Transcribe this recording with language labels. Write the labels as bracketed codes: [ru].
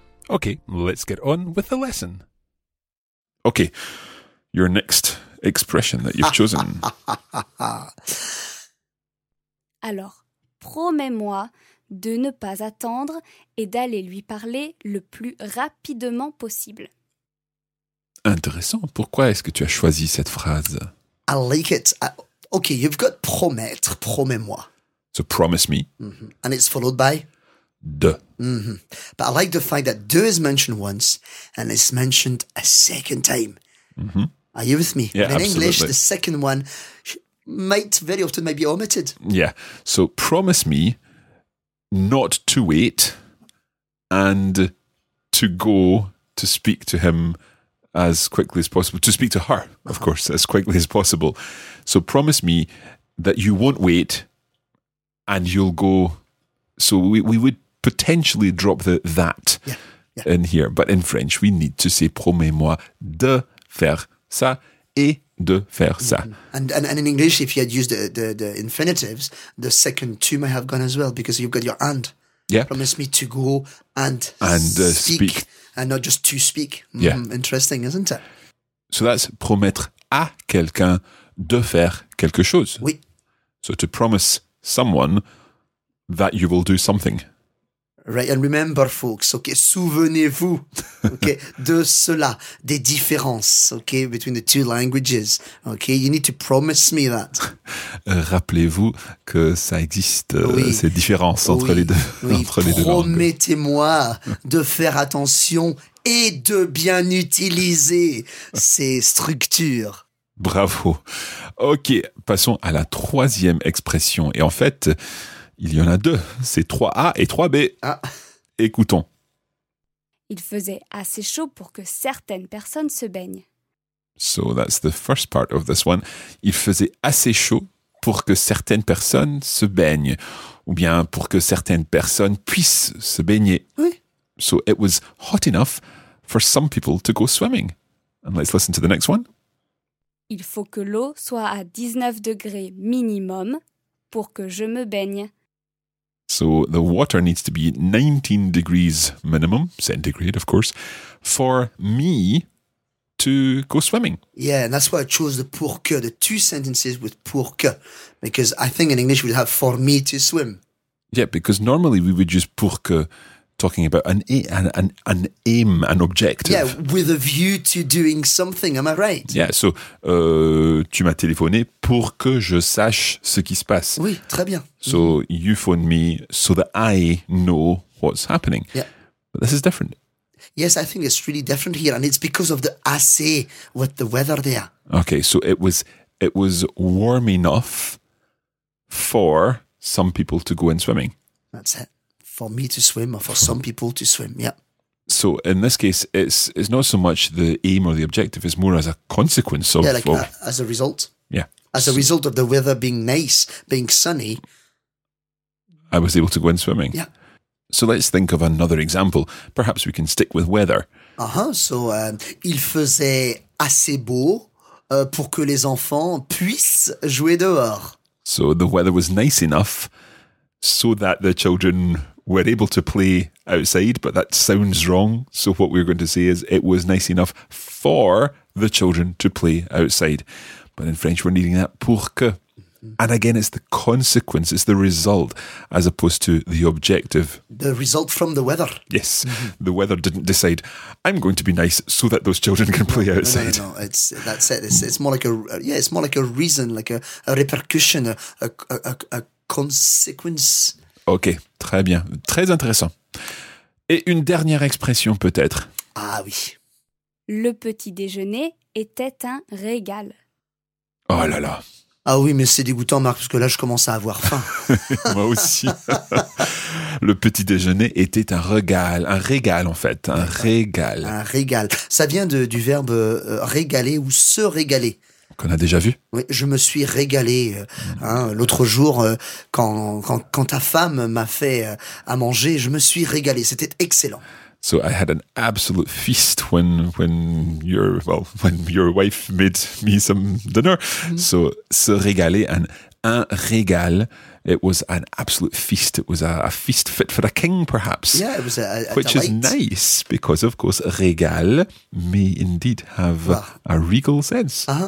[en] Okay, let's get on with the lesson. Okay, your next expression that you've chosen. [fr] Alors, promets-moi de ne pas attendre et d'aller lui parler le plus rapidement possible. Intéressant. Pourquoi est-ce que tu as choisi cette phrase? [en] I like it. Ok, you've got promettre, promets-moi. So promise me. Mm-hmm. And it's followed by? [fr] De. Mm-hmm. [en] But I like the fact that de is mentioned once and it's mentioned a second time. Mm-hmm. Are you with me? Yeah, in absolutely. English, the second one might very often might be omitted. Yeah. So promise me not to wait and to go to speak to him as quickly as possible. To speak to her, uh-huh. of course, as quickly as possible. So promise me that you won't wait and you'll go. So we would potentially drop the that in here. But in French, we need to say [fr] promets-moi de faire ça [en] et de faire ça. Mm-hmm. And in English, if you had used the infinitives, the second two might have gone as well because you've got your and. Yeah. Promise me to go and speak. And not just to speak. Yeah. Interesting, isn't it? So that's [fr] promettre à quelqu'un de faire quelque chose. Oui. [en] So to promise someone that you will do something. Right, and remember, folks, okay, [fr] souvenez-vous, [en] okay, [fr] de cela, des différences, [en] okay, between the two languages, okay, you need to promise me that. [fr] Rappelez-vous que ça existe, ces différences entre les deux, entre les deux langues. Promettez-moi de faire attention et de bien utiliser ces structures. Bravo. Ok, passons à la troisième expression, et en fait, il y en a deux, c'est 3A et 3B. Ah. Écoutons. Il faisait assez chaud pour que certaines personnes se baignent. [en] So that's the first part of this one. [fr] Il faisait assez chaud pour que certaines personnes se baignent. Ou bien pour que certaines personnes puissent se baigner. Oui. [en] So it was hot enough for some people to go swimming. And let's listen to the next one. [fr] Il faut que l'eau soit à 19 degrés minimum pour que je me baigne. [en] So the water needs to be 19 degrees minimum, centigrade, of course, for me to go swimming. Yeah, and that's why I chose the pour que, the two sentences with pour que, because I think in English we'd have for me to swim. Yeah, because normally we would use pour que talking about an aim, an objective. Yeah, with a view to doing something, am I right? Yeah, so [fr] tu m'as téléphoné pour que je sache ce qui se passe. Oui, très bien. [en] So you phoned me so that I know what's happening. Yeah. But this is different. Yes, I think it's really different here, and it's because of the assez with the weather there. Okay, so it was warm enough for some people to go in swimming. That's it. For me to swim or for some people to swim, yeah. So in this case, it's not so much the aim or the objective, it's more as a consequence of... Yeah, like as a result. Yeah. As a result of the weather being nice, being sunny. I was able to go in swimming. Yeah. So let's think of another example. Perhaps we can stick with weather. Uh-huh. [fr] So il faisait assez beau pour que les enfants puissent jouer dehors. [en] So the weather was nice enough so that the children... We're able to play outside, but that sounds wrong. So what we're going to say is it was nice enough for the children to play outside. But in French, we're needing that pour que. And again, it's the consequence, it's the result, as opposed to the objective. The result from the weather. Yes, mm-hmm. The weather didn't decide, I'm going to be nice so that those children can play outside. No, that's it. It's more like a reason, like a repercussion, a consequence. [fr] Ok, très bien, très intéressant. Et une dernière expression peut-être. Ah oui. Le petit déjeuner était un régal. Oh là là. Ah oui, mais c'est dégoûtant Marc, parce que là je commence à avoir faim. Moi aussi. Le petit déjeuner était un régal en fait, un régal. Un régal, ça vient du verbe régaler ou se régaler. Qu'on a déjà vu. Oui, je me suis régalé l'autre jour quand ta femme m'a fait à manger, je me suis régalé, c'était excellent. [en] So I had an absolute feast when your wife made me some dinner. Mm-hmm. So se régaler and un régal. It was an absolute feast. It was a feast fit for a king, perhaps. Yeah, it was a which delight. Is nice, because, of course, régal may indeed have a regal sense.